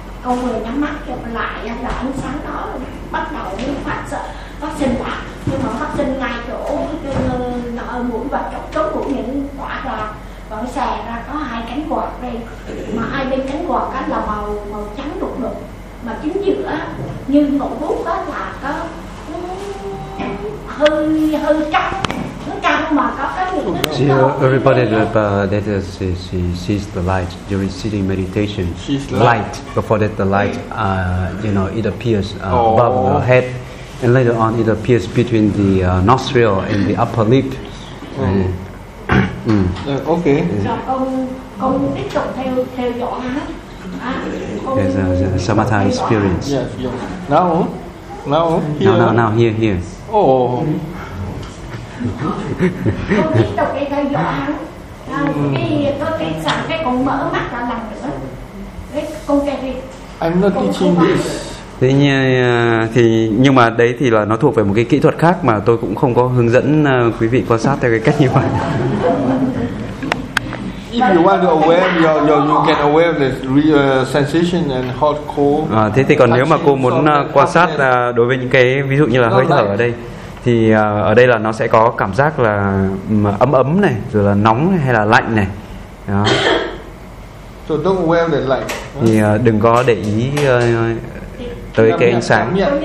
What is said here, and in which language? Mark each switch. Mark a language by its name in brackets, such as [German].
[Vietnamese] Con vừa nhắm mắt lại là ánh sáng đó bắt đầu như phát sợ phát sinh ra, nhưng mà phát sinh ngay chỗ nó mũi và chỗ chốt của những quả là vẫn xè ra có hai cánh quạt đây, mà hai bên cánh quạt cái là màu màu trắng đục đục, mà chính giữa như ngọn bút đó là có hơi trắng, nó trắng mà có cái gì đó. [English] See, everybody, that is she sees the light during sitting meditation. She's light. Before that, the light, you know, it appears above the head, and later on, it appears between the nostril and the upper lip. Okay. [Vietnamese] Con tiếp tục theo dõi hắn. [English] There's a samatha experience. Yes. Now. Now. Here. Oh. [Vietnamese] Con tiếp tục đi theo dõi hắn. Cái con mở mắt ra lần nữa. Con kể đi. [English] I'm not teaching this. [Vietnamese] Thế thì nhưng mà đấy thì là nó thuộc về một cái kỹ thuật khác mà tôi cũng không có hướng dẫn quý vị quan sát theo cái cách như vậy. [English] If you want to aware, you can aware the sensation and hot cold. [Vietnamese] À, thế thì còn nếu mà cô muốn quan sát đối với những cái ví dụ như là hơi thở ở đây thì ở đây là nó sẽ có cảm giác là ấm ấm này, rồi là nóng hay là lạnh này. Đó. [English] So don't aware the light. [Vietnamese] Thì đừng có để ý tới cái ánh sáng,